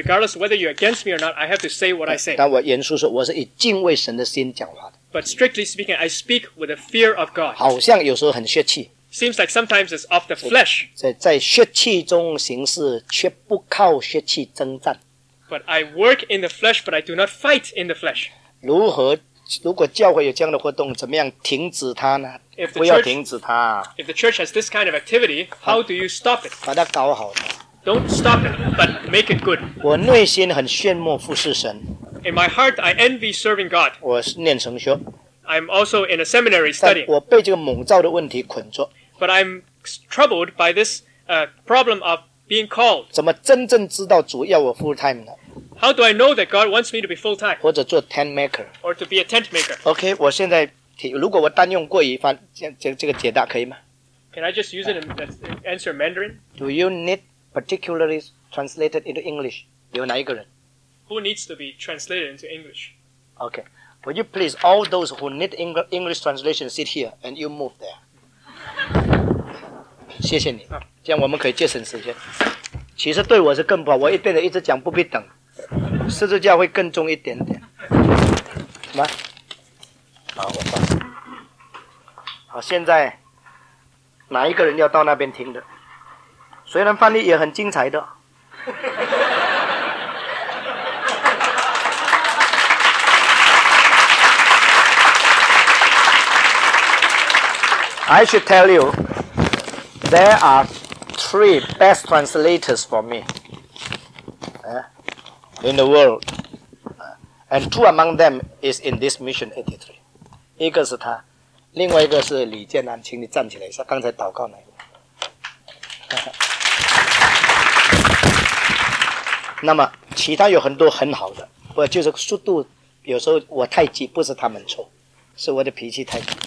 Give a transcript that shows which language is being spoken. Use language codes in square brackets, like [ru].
[en] Regardless whether you're against me or not, I have to say what I say. [zh] 但我严肃说，我是以敬畏神的心讲话的。 [en] But strictly speaking, I speak with the fear of God. [zh] 好像有时候很泄气。 [en] Seems like sometimes it's of the flesh. [zh] 在血气中行事，却不靠血气征战。 [en] But I work in the flesh, but I do not fight in the flesh. [zh] 如果教会有这样的活动，怎么样停止它呢？ [en] Church, [zh] 不要停止它。 [en] If the church has this kind of activity, how do you stop it? [zh] 把它搞好。 [en] Don't stop it, but make it good. [zh] 我内心很羡慕服侍神。 [en] In my heart, I envy serving God. [zh] 我念神学。 [en] I'm also in a seminary studying. [zh] 我被这个蒙召的问题捆住。 [en] But I'm troubled by this problem of being called. [zh] 怎么真正知道主要我 full time 呢？ [en] How do I know that God wants me to be full time? [zh] 或者做 tent maker? [en] Or to be a tent maker? [zh] Okay, 我现在提，如果我单用过一番，这个解答可以吗？ [en] Can I just use it and answer Mandarin? Do you need particularly translated into English? [zh] 有哪一个人？ [en] Who needs to be translated into English? Okay, would you please all those who need English translation sit here and you move there? [zh] 谢谢你，这样我们可以节省时间。其实对我是更不好，我一边一直讲不必等。十字架会更重一点点。什么？好，我放。好，现在哪一个人要到那边听的？虽然翻译也很精彩的。 [en] I should tell you, there are three best translators for me. In the world, and two among them is in this mission 83. [zh] 一个是他，另外一个是李建南，请你站起来一下。刚才祷告那个。那么其他有很多很好的，不就是速度？有时候我太急，不是他们错，是我的脾气太急。